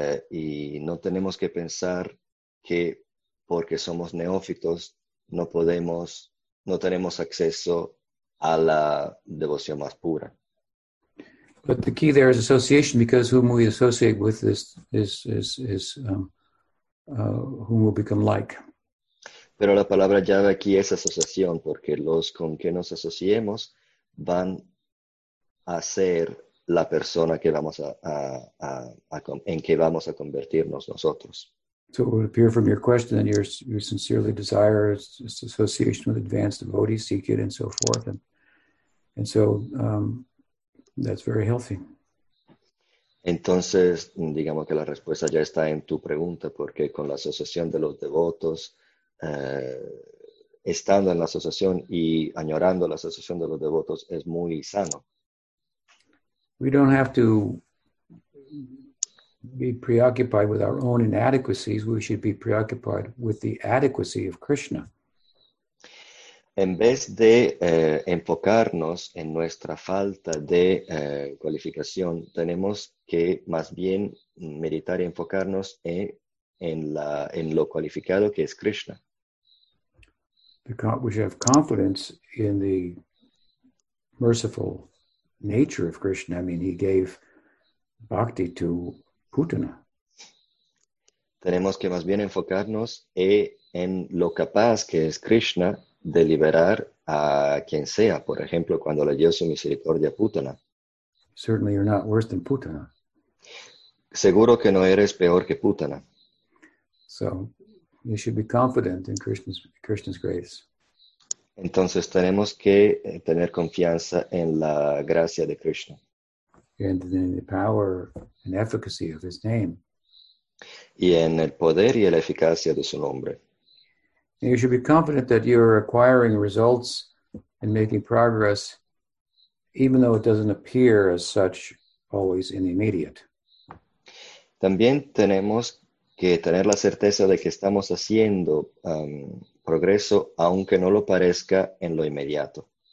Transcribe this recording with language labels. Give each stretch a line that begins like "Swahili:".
Spanish: Y no tenemos que pensar que porque somos neófitos no tenemos acceso a la devoción más pura.
English: But the key there is association, because whom we associate with whom we'll become like.
Spanish: Pero la palabra llave aquí es asociación, porque los con que nos asociemos van a ser la persona que vamos en que vamos a convertirnos nosotros.
English: So it would appear from your question that your sincerely desire is association with advanced devotees, seek it, and so forth, and so. That's very healthy.
Spanish: Entonces, digamos que la respuesta ya está en tu pregunta, porque con la asociación de los devotos, estando en la asociación y añorando la asociación de los devotos es muy sano.
English: We don't have to be preoccupied with our own inadequacies. We should be preoccupied with the adequacy of Krishna.
Spanish: En vez de enfocarnos en nuestra falta de cualificación, tenemos que más bien meditar y enfocarnos en lo cualificado que es Krishna.
English: We should have confidence in the merciful nature of Krishna. I mean, he gave bhakti to Putana.
Spanish: Tenemos que más bien enfocarnos en lo capaz que es Krishna de liberar a quien sea, por ejemplo, cuando le dio su misericordia a Putana.
English: Certainly you're not worse than Putana.
Spanish: Seguro que no eres peor que Putana.
English: So, you should be confident in Krishna's grace.
Spanish: Entonces tenemos que tener confianza en la gracia de Krishna.
English: And in the power and efficacy of his name.
Spanish: Y en el poder y la eficacia de su nombre.
English: And you should be confident that you're acquiring results and making progress, even though it doesn't appear as such always in the immediate.
Spanish: También tenemos que tener la certeza de que estamos haciendo progreso, aunque no lo parezca en lo inmediato.